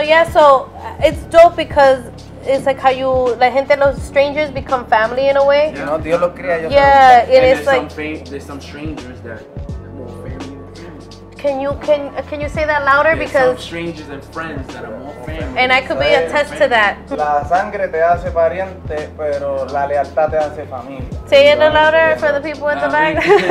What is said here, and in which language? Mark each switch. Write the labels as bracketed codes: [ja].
[en] So it's dope because it's like how you, la gente, los strangers become family in a way. You know, [es] Dios los cría. [en] Yeah, and it's like there's some strangers that are more family than friends. Can you say that louder? There's because some strangers and friends that are more family. And I could be attest to that. [es] La sangre te hace pariente, pero la lealtad te hace familia. [en] Say it louder for the people in the back.